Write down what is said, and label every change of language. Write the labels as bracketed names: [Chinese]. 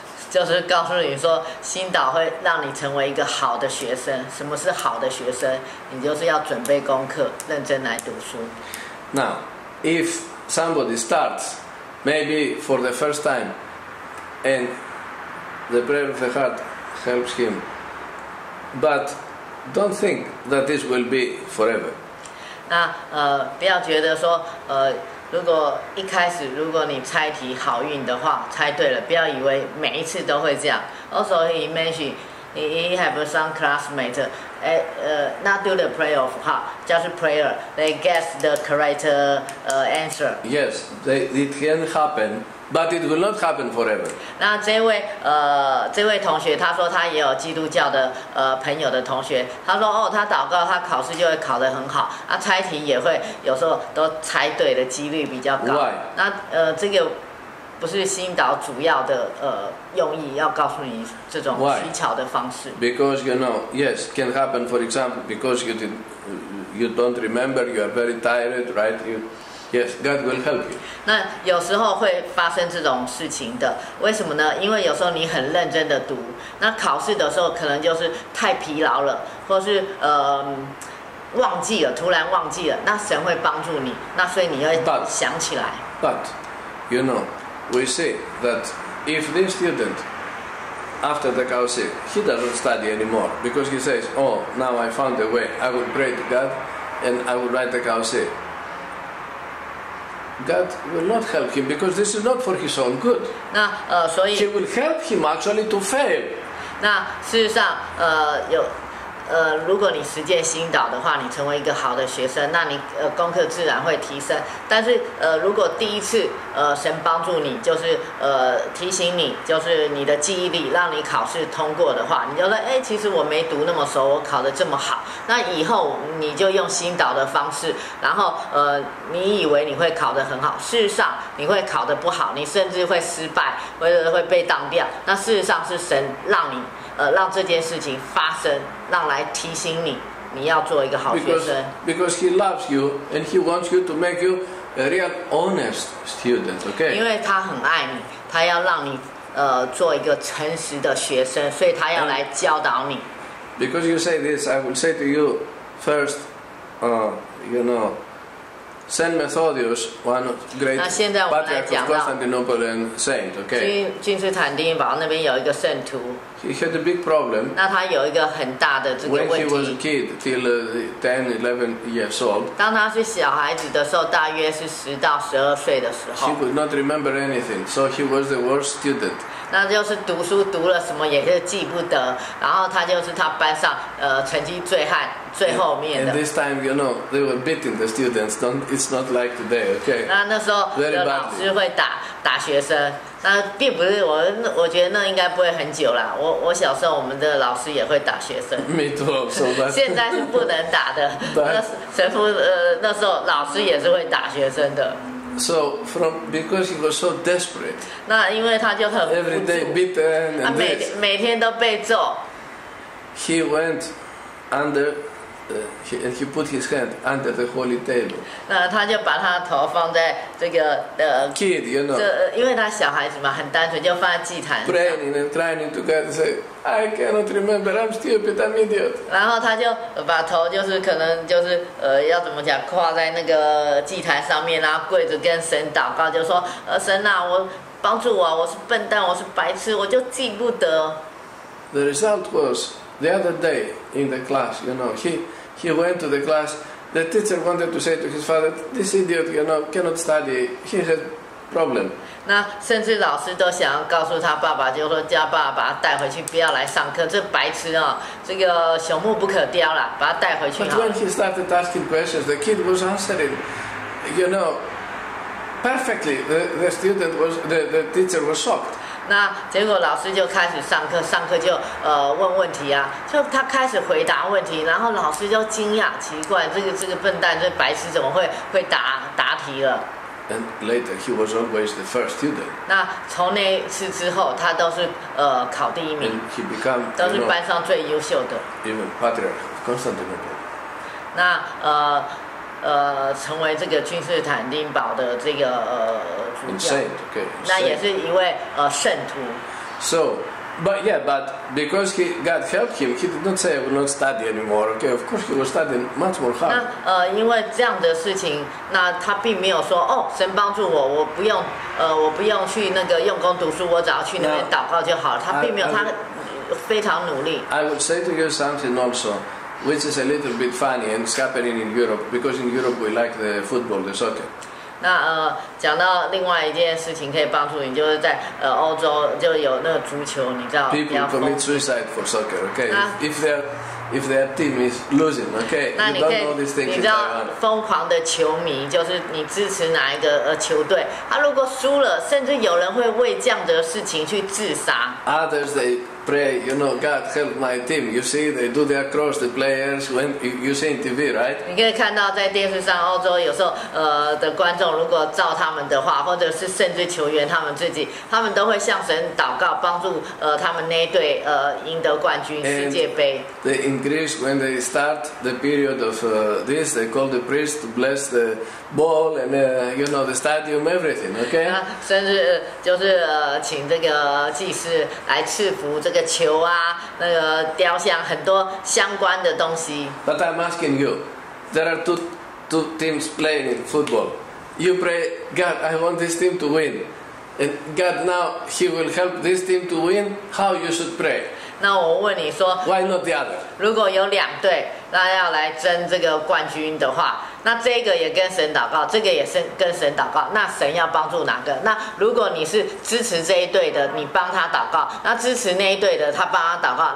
[Chinese] 就是告诉你说，心导会让你成为一个好的学生。什么是好的学生？你就是要准备功课，认真来读书。 [English] Now, if somebody starts, maybe for the first time. And the prayer of the heart helps him. But don't think that this will be forever. [Chinese] 那不要觉得说如果一开始如果你猜题好运的话，猜对了，不要以为每一次都会这样。 [English] Also, he mentioned he have some classmates. Not do the prayer of heart, just prayer. They guess the correct answer. Yes, it can happen. But it will not happen forever. [Chinese] 那这位同学，他说他也有基督教的朋友的同学，他说哦，他祷告，他考试就会考得很好，啊，猜题也会有时候都猜对的几率比较高。 [English] Why? [Chinese] 那这个不是心导主要的用意，要告诉你这种取巧的方式。 [English] Why? Because you know, yes, can happen. For example, because you don't remember, you are very tired, right? Yes, God will help you. [Chinese] 那有时候会发生这种事情的，为什么呢？因为有时候你很认真的读，那考试的时候可能就是太疲劳了，或是忘记了，突然忘记了，那神会帮助你，那所以你会想起来。 [English] But you know, we see that if this student after the counseling he doesn't study anymore because he says, "Oh, now I found a way. I will pray to God, and I will write the counseling." God will not help him because this is not for his own good. [Chinese] 那所以 [English] he will help him actually to fail. [Chinese] 那事实上有如果你实践心导的话，你成为一个好的学生，那你功课自然会提升。但是如果第一次神帮助你，就是提醒你，就是你的记忆力让你考试通过的话，你就说哎，其实我没读那么熟，我考得这么好。那以后你就用心导的方式，然后你以为你会考得很好，事实上你会考得不好，你甚至会失败，或者会被当掉。那事实上是神让你。让这件事情发生，让来提醒你，你要做一个好学生。 [English] Because he loves you and he wants you to make you a real honest student, okay? [Chinese] 因为他很爱你，他要让你做一个诚实的学生，所以他要来教导你。 [English] Because you say this, I will say to you first, you know, Saint Methodius, one great patriarch of Constantinople and saint, okay? [Chinese] 君士坦丁堡那边有一个圣徒。 [English] He had a big problem. [Chinese] 那他有一个很大的这个问题。 [English] When he was a kid, till 10-11 years old. [Chinese] 当他是小孩子的时候，大约是十到十二岁的时候。 [English] He could not remember anything, so he was the worst student. [Chinese] 那就是读书读了什么也是记不得，然后他就是他班上成绩最烂、最后面的。 [English] And this time, you know, they were beating the students. It's not like today, okay? [Chinese] 那时候有老师会打学生。那并不是我觉得那应该不会很久啦。我小时候我们的老师也会打学生。没错，是吧？现在是不能打的。神父那时候老师也是会打学生的。 [English] So from because he was so desperate. [Chinese] 那因为他就很 [English] every day beaten and [Chinese] 每天都被揍。 [English] He went under he put his hand under the holy table. [Chinese] 那他就把他的头放在这个 [English] Kid, you know. [Chinese] 因为他小孩子嘛，很单纯，就放在祭坛上。 [English] Praying and crying to God, say, I cannot remember. I'm stupid. I'm idiot. [Chinese] 然后他就把头就是可能就是要怎么讲，跨在那个祭坛上面，然后跪着跟神祷告，就说神啊，我帮助我，我是笨蛋，我是白痴，我就记不得。 [English] The result was. The other day in the class, you know, he went to the class. The teacher wanted to say to his father, "This idiot, you know, cannot study. He has problem." [Chinese] 那甚至老师都想要告诉他爸爸，就说叫爸爸把他带回去，不要来上课。这白痴啊，这个朽木不可雕了，把他带回去。 [English] But when he started asking questions, the kid was answering, you know, perfectly. The teacher was shocked. [Chinese] 那结果老师就开始上课，上课就问问题啊，就他开始回答问题，然后老师就惊讶，奇怪，这个笨蛋，这白痴怎么会答题了 [English] ？And later he was always the first student. [Chinese] 那从那次之后，他都是考第一名 [English] ，and he became [Chinese] 都是班上最优秀的 [English] ，even patriarch of Constantinople. [Chinese] 那成为这个君士坦丁堡的这个主教， [English] Insane, okay, [Chinese] Insane. 那也是一位圣徒。 [English] So, but yeah, but because he God helped him, he did not say I will not study anymore. Okay, of course he was studying much more hard. [Chinese] 那因为这样的事情，那他并没有说哦，神帮助我，我不用去那个用功读书，我只要去那边祷告就好了。他并没有， [English] I [Chinese] 非常努力。 [English] I would say to you something also. Which is a little bit funny and it's happening in Europe because in Europe we like the football, the soccer. [Chinese] 那讲到另外一件事情可以帮助你，就是在欧洲就有那个足球，你知道吗 [English] ？People commit suicide for soccer. Okay, if their team is losing, okay, you don't know these things. [Chinese] 你知道疯狂的球迷就是你支持哪一个球队？他如果输了，甚至有人会为这样的事情去自杀。 [English] Others they. Pray, you know, God help my team. You see, they do their cross. The players when you see in TV, right? [Chinese] 你可以看到在电视上，欧洲有时候的观众如果照他们的话，或者是甚至球员他们自己，他们都会向神祷告，帮助他们那一队赢得冠军世界杯。 [English] The in Greece when they start the period of this, they call the priest to bless the ball and you know the stadium, everything. Okay. [Chinese] 甚至就是请这个祭司来赐福。这个球啊，那个雕像，很多相关的东西。 [English] But I'm asking you, there are two teams playing in football. You pray, God, I want this team to win, and God now He will help this team to win. How you should pray? [Chinese] 那我问你说 [English] ，Why not the other? [Chinese] 如果有两队，那要来争这个冠军的话。那这个也跟神祷告，这个也是跟神祷告。那神要帮助哪个？那如果你是支持这一队的，你帮他祷告；那支持那一队的，他帮他祷告。